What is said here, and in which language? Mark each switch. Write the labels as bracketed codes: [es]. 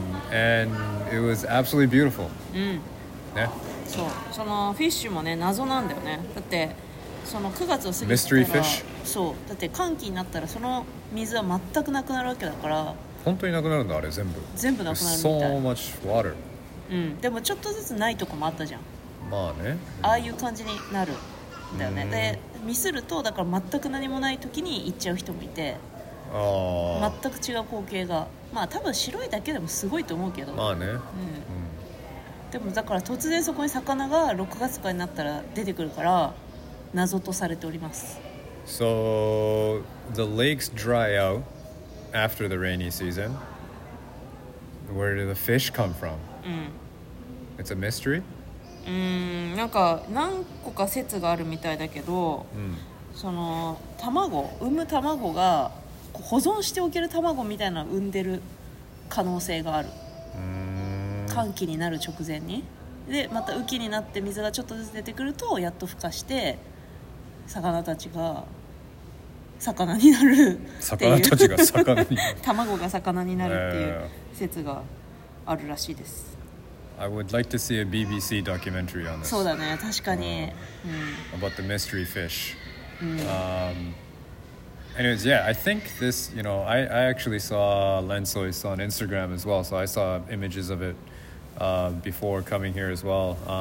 [en] And it was absolutely beautiful. Yeah. [ja] So, そのフィッシュもね、謎なんだよね。だって、その9月を過ぎてから、 [en] Mystery fish? [ja] そう。だって寒気になったらその水は全くなくなるわけだから。本当になくなるんだ、あれ全部。全部なくなるみたい。 [en] So much water. [ja] でもちょっとずつないとこもあったじゃん。まあね。ああいう感じになる。だよね。で、ミスるとだから全く何もない時に行っちゃう人もいて、全く違う光景が、まあ多分白いだけでもすごいと思うけど、まあね、うん、でもだから突然そこに魚が6月とかになったら出てくるから謎とされております。 [en] So the lakes dry out after the rainy season. Where do the fish come from? It's a mystery? [ja] なんか何個か説があるみたいだけど、うん、その卵産む卵が保存しておける卵みたいな産んでる可能性がある。寒気になる直前にでまた雨季になって水がちょっとずつ出てくるとやっと孵化して魚たちが魚になるっていう、魚たちが魚に卵が魚になるっていう説があるらしいです。 [en] I would like to see a BBC documentary on this. [ja] そうだね、確かに。 [en] About the mystery fish.、 Mm. Anyways, yeah, I think this, you know, I actually saw lençóis on Instagram as well, so I saw images of it before coming here as well.